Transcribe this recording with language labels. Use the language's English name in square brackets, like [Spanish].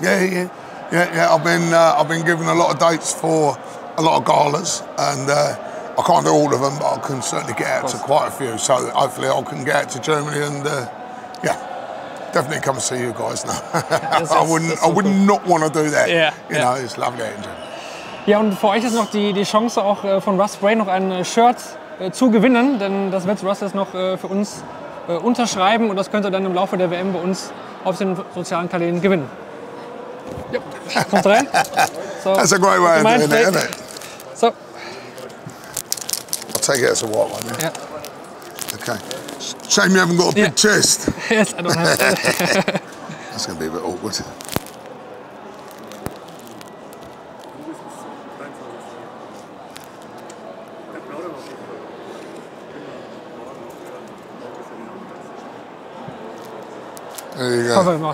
[English] Yeah. I've been given a lot of dates for a lot of galas and I can't do all of them, but I can certainly get out to quite a few. So hopefully I can get out to Germany and definitely come and see you guys now. I would not want to do that. You know, it's lovely out in [German] Germany. Ja, und für euch ist noch die Chance auch von Russ Bray noch ein Shirt zu gewinnen, denn das wird Russ jetzt noch für uns unterschreiben und das könnt ihr dann im Laufe der WM bei uns auf den sozialen Kanälen gewinnen. Ja, kommt rein. [English] So, that's a great way of doing it, isn't it? So. I'll take it as a white one. Yeah. Okay. Shame you haven't got a big chest. Yes, I don't have. That's going to be a bit awkward. There you go.